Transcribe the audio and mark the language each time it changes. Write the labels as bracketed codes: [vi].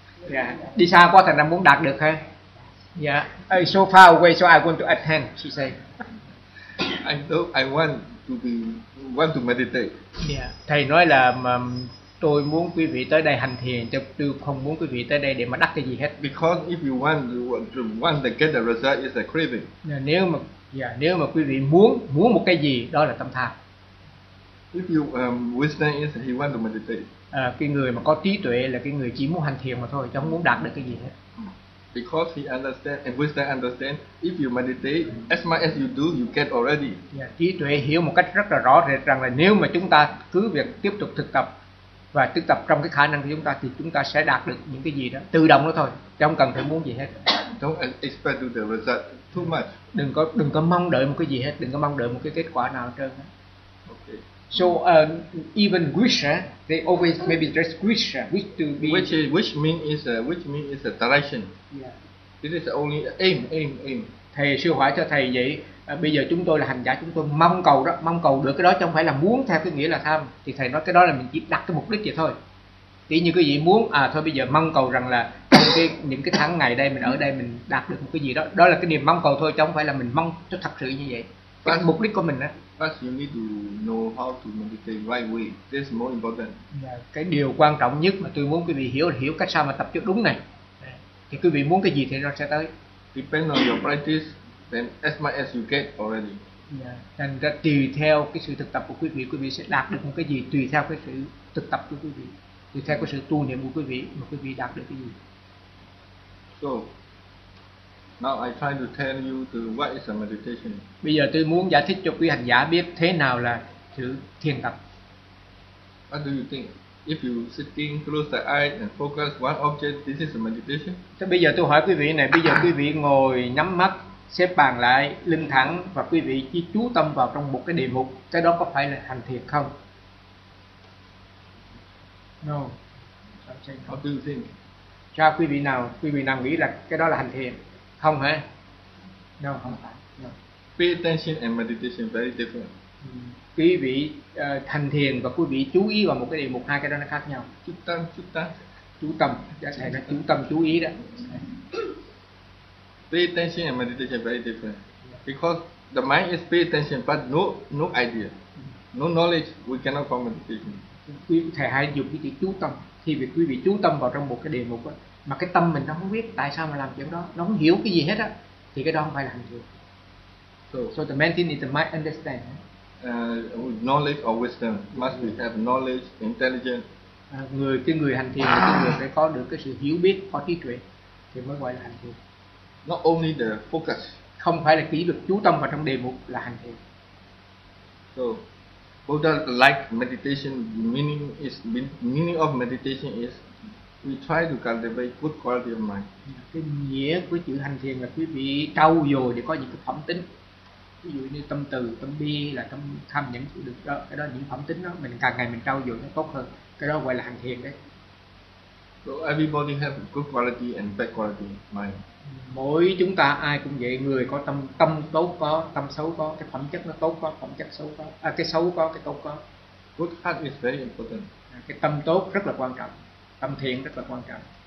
[vi] Yeah. Đi xa quá thành ra muốn đạt được ha. [en] Yeah. So far away, so I want to attend, she say. I want to meditate. Yeah. [vi] Thầy nói là tôi muốn quý vị tới đây hành thiền, chứ tôi không muốn quý vị tới đây để mà đắc cái gì hết. [en] Because if you want to get the result, it's a craving. [vi] Nếu mà quý vị muốn một cái gì, đó là tâm tham. [en] If you wisdom is he want to meditate. [vi] Cái người mà có trí tuệ là cái người chỉ muốn hành thiền mà thôi, chứ không muốn đạt được cái gì hết. [en] Because he understand and wisdom understand, if you meditate, as much as you do, you get already. [vi] Yeah, trí tuệ hiểu một cách rất là rõ rệt rằng là nếu mà chúng ta cứ việc tiếp tục thực tập và thực tập trong cái khả năng của chúng ta thì chúng ta sẽ đạt được những cái gì đó tự động đó thôi, chứ không cần phải muốn gì hết. [en] Don't expect to the result too much. [vi] Đừng có mong đợi một cái gì hết, đừng có mong đợi một cái kết quả nào hết trơn. [en] Okay. So even wish, they always maybe just wish to be. Which means is a direction. Yeah. It is only aim. [vi] Thầy sư hỏi cho thầy vậy. Bây giờ chúng tôi là hành giả, chúng tôi mong cầu đó, mong cầu được cái đó chứ không phải là muốn theo cái nghĩa là tham. Thì thầy nói cái đó là mình chỉ đặt cái mục đích vậy thôi. Chỉ như cái gì muốn, thôi bây giờ mong cầu rằng là những cái tháng ngày đây mình ở đây mình đạt được một cái gì đó. Đó là cái niềm mong cầu thôi chứ không phải là mình mong cho thật sự như vậy. Cái mục đích của mình đó. [en] First you need to know how to meditate right way. This is more important. [vi] Cái điều quan trọng nhất mà tôi muốn quý vị hiểu cách sao mà tập cho đúng này. Thì quý vị muốn cái gì thì nó sẽ tới. [en] Depend on your practice. Then as much as you get already. Yeah. [vi] Thành ra tùy theo cái sự thực tập của quý vị sẽ đạt được một cái gì tùy theo cái sự thực tập của quý vị, tùy theo cái sự tu niệm của quý vị mà quý vị đạt được cái gì. [en] So, now I try to tell you to what is a meditation. [vi] Bây giờ tôi muốn giải thích cho quý hành giả biết thế nào là sự thiền tập. [en] What do you think? If you sitting close the eye and focus one object, this is a meditation. [vi] Thế bây giờ tôi hỏi quý vị này, bây giờ quý vị ngồi nhắm mắt xếp bàn lại lưng thẳng và quý vị chỉ chú tâm vào trong một cái đề mục, cái đó có phải là hành thiền không? [en] No. How do you think? [vi] Cho quý vị nào nghĩ là cái đó là hành thiền không hả? [en] No, [vi] không phải. [en] No. Pay attention and meditation very different. [vi] Quý vị hành thiền và quý vị chú ý vào một cái đề mục, hai cái đó nó khác nhau. Chú tâm. Chú tâm, thầy nói chú tâm chú ý đó. [en] Pay attention and meditation very different. Because the mind is pay attention but no idea, no knowledge, we cannot form meditation. [vi] Thầy hay dùng cái chữ chú tâm. Khi việc quý vị chú tâm vào trong một cái đề mục đó, mà cái tâm mình nó không biết tại sao mà làm chuyện đó, nó không hiểu cái gì hết á, thì cái đó không phải là hành thiền. [en] So the main thing is the mind understand. Knowledge or wisdom must be have knowledge, intelligence. [vi] Người hành thiền thì người phải có được cái sự hiểu biết, có trí tuệ thì mới gọi là hành thiền. [en] Not only the focus. [vi] Không phải là chỉ được chú tâm vào trong đề mục là hành thiền. [en] So, Buddha like meditation. Meaning of meditation is we try to cultivate good quality of mind. [vi] Cái nghĩa của chữ hành thiền là quý vị trau dồi để có những cái phẩm tính. Ví dụ như tâm từ, tâm bi là tâm tham nhẫn chịu đựng đó. Cái đó những phẩm tính đó mình càng ngày mình trau dồi nó tốt hơn. Cái đó gọi là hành thiền đấy. [en] So everybody have good quality and bad quality mind. [vi] Mỗi chúng ta ai cũng vậy, người có tâm tốt có, tâm xấu có, cái phẩm chất nó tốt có, phẩm chất xấu có, cái xấu có, cái tốt có. [en] Good heart is very important. [vi] Cái tâm tốt rất là quan trọng, tâm thiện rất là quan trọng.